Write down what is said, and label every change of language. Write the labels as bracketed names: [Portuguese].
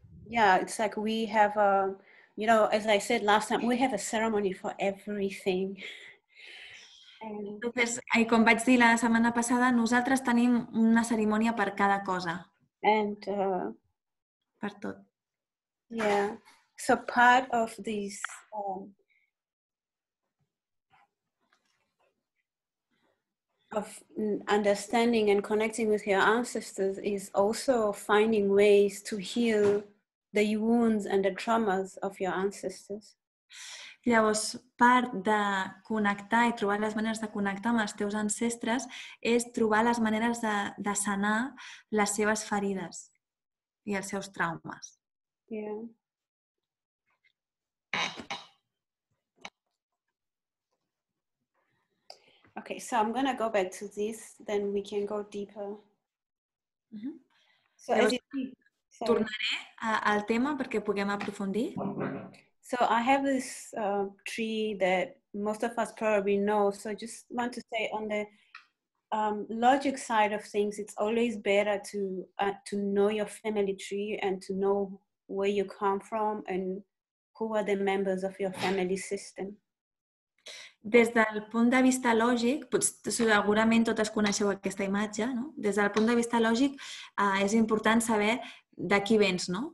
[English] It's like we have a, you know, as I said last time, we have a ceremony for everything. [Catalan] Entonces, com vaig dir la setmana passada, nosaltres tenim una cerimònia per cada cosa. [English] And [Catalan] per tot. [English] Yeah. So part of these of understanding and connecting with your ancestors is also finding ways to heal the wounds and the traumas of your ancestors. [Catalan] Llavors, part de connectar i trobar les maneres de connectar amb els teus ancestres és trobar les maneres de sanar les seves ferides i els seus traumes. [English] Yeah. Okay, so I'm going to go back to this, then we can go deeper. [Catalan] So llavors, tornaré al tema perquè puguem aprofundir. [English] So I have this tree that most of us probably know. So I just want to say on the logic side of things, it's always better to know your family tree and to know where you come from and who are the members of your family system. [Catalan] Des del punt de vista lògic, segurament totes coneixeu aquesta imatge, no? Des del punt de vista lògic, és important saber de qui vens, no?